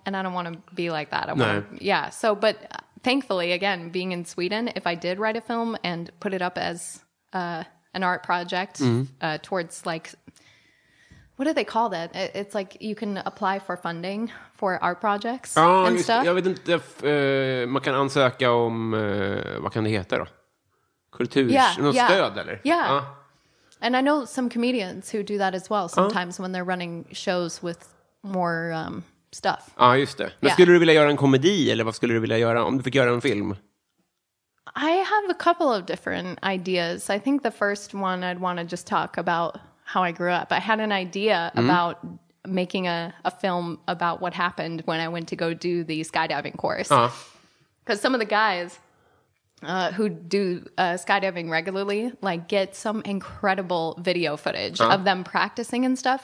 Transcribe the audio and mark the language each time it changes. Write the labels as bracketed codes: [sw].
[en] And I don't want to be like that. But thankfully, again, being in Sweden, if I did write a film and put it up as an art project towards like... What do they call that? It's like you can apply for funding for art projects and stuff. [sv] Jag vet inte, man kan ansöka om, vad kan det heta då? Kulturs, stöd eller? [en] Yeah. And I know some comedians who do that as well sometimes when they're running shows with more stuff. [sv] Ja, just det. Men skulle du vilja göra en komedi eller vad skulle du vilja göra om du fick göra en film? [en] I have a couple of different ideas. I think the first one I'd want to just talk about how I grew up. I had an idea about making a film about what happened when I went to go do the skydiving course. Because some of the guys who do skydiving regularly, like, get some incredible video footage of them practicing and stuff.